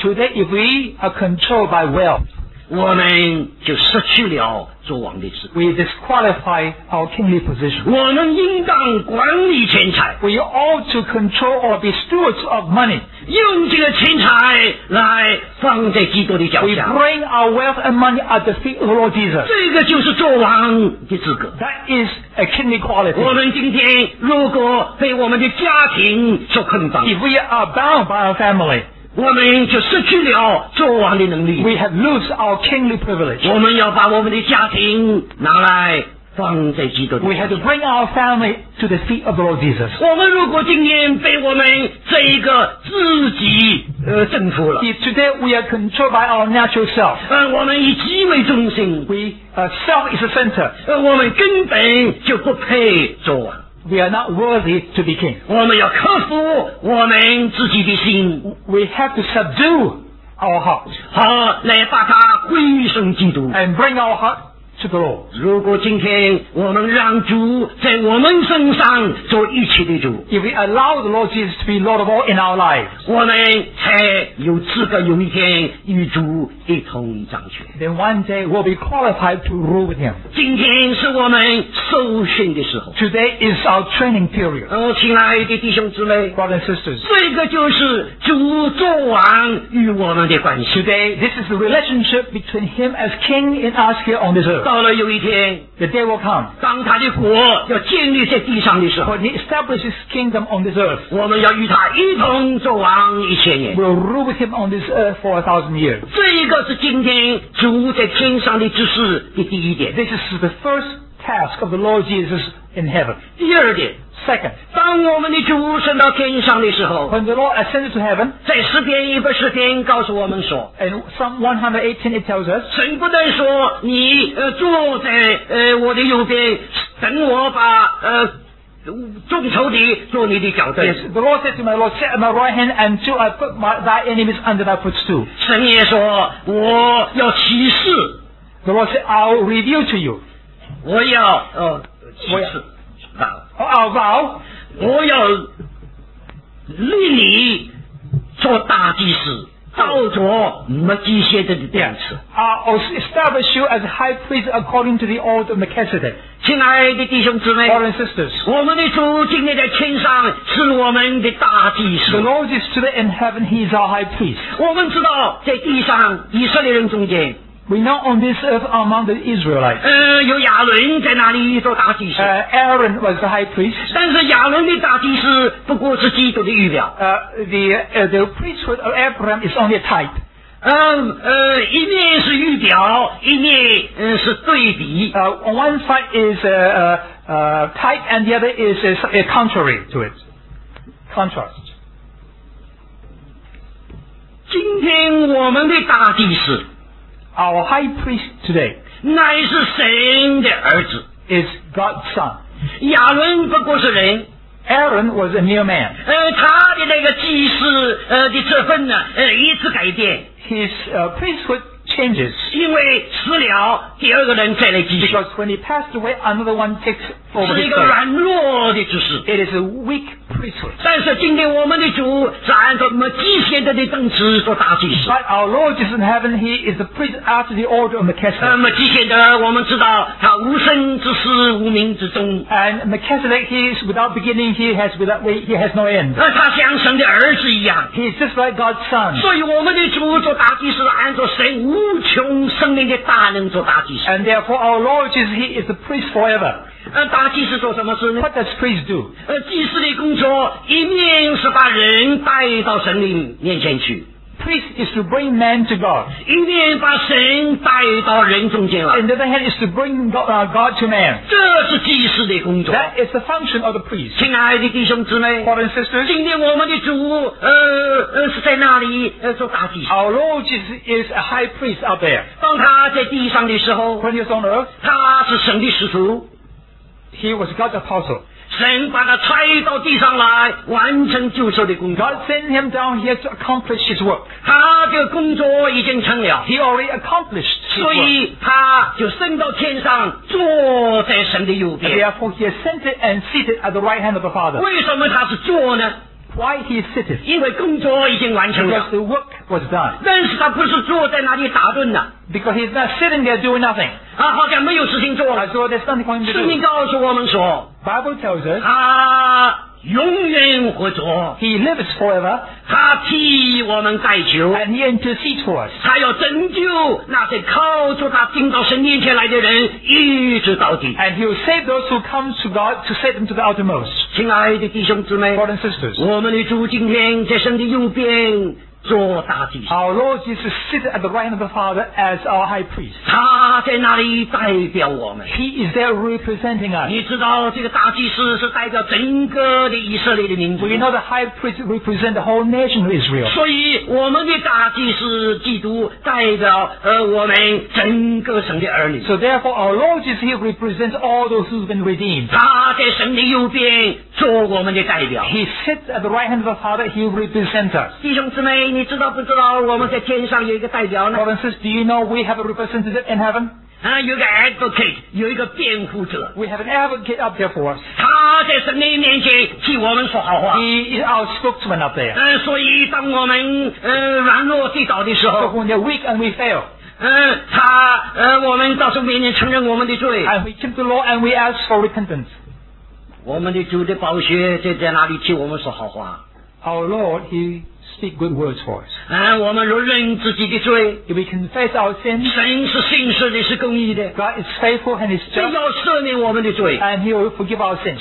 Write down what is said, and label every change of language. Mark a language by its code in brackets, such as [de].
[en] Today, if we are controlled by wealth, [zh] 我们就失去了做王的资格。 [en] We disqualify our kingly position. [zh] 我们应当管理钱财。 [en] We ought to control or be stewards of money. [zh] 用这个钱财来放在基督的脚下。 [en] We bring our wealth and money at the feet of the Lord Jesus. [zh] 这个就是做王的资格。 [en] That is a kingly quality. [zh] 我们今天如果被我们的家庭所捆绑。 [en] If we are bound by our family. [zh] 我们就失去了做王的能力。 [en] We have lost our kingly privilege. [zh] 我们要把我们的家庭拿来放在基督的。 [en] We have to bring our family to the feet of the Lord Jesus. [zh] 我们如果今天被我们这一个自己征服了。 [en] If today we are controlled by our natural self. [zh] 我们以己为中心。 [en] Self is the center. [zh] 我们根本就不配做王。 [en] We are not worthy to be king. [zh] 我们要克服我们自己的心。 [en] We have to subdue our hearts. [zh] 好，来把它归顺基督。 [en] And bring our heart to the Lord. [zh] 如果今天我们让主在我们身上做一切的主。 [en] If we allow the Lord Jesus to be Lord of all in our lives. [zh] 我们才有资格有一天与主一同掌权。 [en] Then one day we'll be qualified to rule with him. [zh] 今天是我们受训的时候。 [en] Today is our training period. [zh] 亲爱的弟兄姊妹。 [en] Brothers and sisters. [zh] 这个就是主做王与我们的关系。 [en] Today, this is the relationship between him as king and us here on this earth. [zh] 到了有一天 [en] The day will come [zh] 当他的国要建立在地上的时候 [en] When he establishes his kingdom on this earth [zh] 我们要与他一同做王一千年 [en] We'll rule with him on this earth for 1,000 years [zh] 这一个是今天主在天上的指示的第一点 [en] This is the first task of the Lord Jesus in heaven [zh] 第二点 [en] Second [zh] 当我们的主升到天上的时候 [en] When the Lord ascended to heaven [zh] 在诗篇110告诉我们说 [en] In Psalm 118 it tells us [zh] 神不但说你坐在我的右边等我把众仇敌做你的脚凳 [en] Yes, the Lord said to my Lord sit at my right hand until I put thy enemies under thy footstool [zh] 神也说我要启示 [en] The Lord said I'll reveal to you [zh] 我要启示 [en] Our vow, [zh] 我要立你做大祭司，照着麦基洗德的样式。 [en] I'll establish you as high priest according to the order of Melchizedek. [zh] 亲爱的弟兄姊妹 [en] ，Brothers and sisters, [zh] 我们的主今天在天上是我们的大祭司。 [en] The Lord is today in heaven; He is our high priest. [zh] 我们知道在地上以色列人中间。 [en] We know on this earth among the Israelites. [zh] 有亚伦在那里做大祭司。 [en] Aaron was the high priest. [zh] 但是亚伦的大祭司不过是基督的预表。 [en] The priesthood of Abraham is only a type. [zh] 一面是预表，一面是对比。 [en] On one side is a type, and the other is a contrary to it. Contrast. [zh] 今天我们的大祭司。 [en] Our high priest today [zh] 乃是神的儿子 [en] is God's son. [zh] 亚伦不过是人 [en] Aaron was a mere man. [zh] 他的那个祭司的职分呢一直改变 [en] His priesthood changes. [zh] 因为死了第二个人再来继续 [en] Because when he passed away, another one takes over. [zh] 是一个软弱的祭司 [en] It is a weak priesthood. [zh] 但是今天我们的主是按照麦基洗德的等级做大祭司 [en] But our Lord is in heaven. He is the priest after the order of Melchizedek. [zh] 麦基洗德我们知道他无生之始无名之终 [en] And Melchizedek, he is without beginning. He has no end. [zh] 他像神的儿子一样 [en] He is just like God's son. [zh] 所以我们的主做大祭司按照神无无穷生命的大能做大祭司 [en] and therefore our Lord Jesus he is the priest forever [zh] 大祭司做什么事呢 [en] what does priest do [zh] 祭司的工作一面是把人带到神灵面前去 [en] priest is to bring man to God [zh] 一面把神带到人中间来 [en] and the other hand is to bring God to man [zh] 这是祭司的工作 [en] that is the function of the priest [zh] 亲爱的弟兄姊妹 [en] brothers and sisters [zh] 今天我们的主是在那里做大祭司 [en] Our Lord Jesus is a high priest up there [zh] 当他在地上的时候 [en] When he was on earth [zh] 他是神的使徒 [en] He was God's apostle [zh] 神把他差到地上来完成救赎的工作 [en] God sent him down here to accomplish his work [zh] 他的工作已经成了 [en] He already accomplished his work [zh] 所以他就升到天上坐在神的右边 [en] Therefore he ascended and seated at the right hand of the Father [zh] 为什么他是坐呢 [en] Why he is seated? [zh] 因为工作已经完成了。 [en] Because the work was done. [zh] 但是他不是坐在那里打盹的。 [en] Because he's not sitting there doing nothing. [zh] 他好像没有事情做了。 [en] So there's nothing for him to do. [zh] 圣经告诉我们说 [en] ，Bible tells us [zh] 他永远活着。 [en] He lives forever. [zh] 他替我们代求。 [en] And he intercedes for us. [zh] 他要拯救那些靠着他进到神面前来的人，一直到底。 [en] And he will save those who come to God to save them to the uttermost. [zh] 亲爱的弟兄姊妹 [en] ，Brothers and sisters， [zh] 我们的主今天在神的右边。 [en] Our Lord Jesus sits at the right hand of the Father as our High Priest. [zh] 他在那里代表我们。 [en] He is there representing us. [zh] 你知道这个大祭司是代表整个的以色列的民族。 [en] We know the High Priest represents the whole nation of Israel. [zh] 所以我们的大祭司基督代表我们整个神的儿女。 [en] So therefore, our Lord Jesus here represents all those who've been redeemed. [zh] 他在神的右边做我们的代表。 [en] He sits at the right hand of the Father. He represents us. [zh] 弟兄姊妹。你知道不知道我们在天上有一个代表呢 [en] Brothers and sisters, do you know we have a representative in heaven? [zh] 有一个 advocate, 有一个辩护者 [en] We have an advocate up there for us. [zh] 他在神的面前替我们说好话 [en] He is our spokesman up there. [zh] 所以当我们软弱跌倒的时候 [en] So when we are weak and we fail. [zh] 他我们到时候面前承认我们的罪 [en] And we come to the Lord and we ask for repentance. [zh] 我们的主的宝血在哪里替我们说好话 [en] Our Lord, he... Speak good words for us. [zh] 我们若认自己的罪 [en] If we confess our sins, [zh] 神是信实的，是公义的。 [en] God is faithful and is just. [zh] 必要赦免我们的罪 [en] And he will forgive our sins.